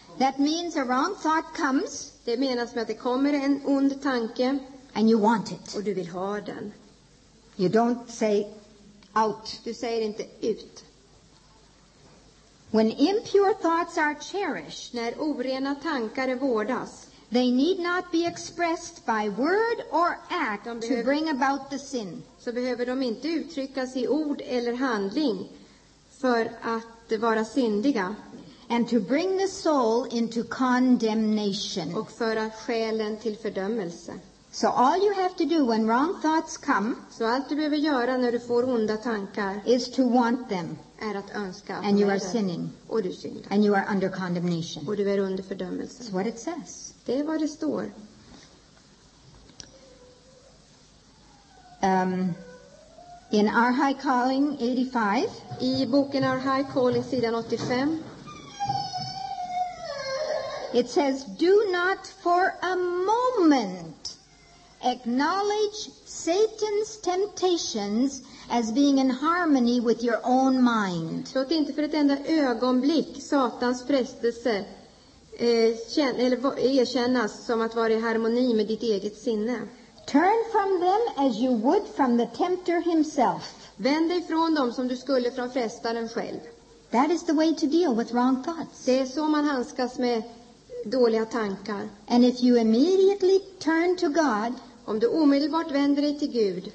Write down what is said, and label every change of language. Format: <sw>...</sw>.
<en>That means a wrong thought comes.</en> <sv>Det menas med att det kommer en ond tanke.</sv> <en>And you want it.</en> <sv>Och du vill ha den.</sv> <en>You don't say out.</en> <sv>Du säger inte ut.</sv> <en>When impure thoughts are cherished,</en> <sv>när orena tankar vårdas,</sv> <en>they need not be expressed by word or act to bring about the sin.</en> <sv>Så behöver de inte uttryckas i ord eller handling för att vara syndiga.</sv> <en>And to bring the soul into condemnation.</en> <sv>Och föra själen till fördömelse.</sv> <en>So all you have to do when wrong thoughts come,</en> <sv>så allt du behöver göra när du får onda tankar,</sv> <en>is to want them,</en> <sv>är att önska,</sv> <en>and you are sinning,</en> <sv>och du syndar,</sv> <en>and you are under condemnation,</en> <sv>och du är under fördömelse.</sv> <en>That's what it says.</en> <sv>Det är vad det står.</sv> <en>In Our High Calling 85,</en> <sv>i boken Our High Calling sidan 85,</sv> <en>it says, do not for a moment acknowledge Satan's temptations as being in harmony with your own mind.</en> <sv>Låt inte för ett enda ögonblick Satans frestelse erkännas som att vara i harmoni med ditt eget sinne.</sv> <en>Turn from them as you would from the tempter himself.</en> <sv>Vänd dig från dem som du skulle från frestaren själv.</sv> <en>That is the way to deal with wrong thoughts.</en> <sv>Det är så man handskas med dåliga tankar.</sv> <en>And if you immediately turn to God,</en> <sv>om du omedelbart vänder dig till Gud,</sv>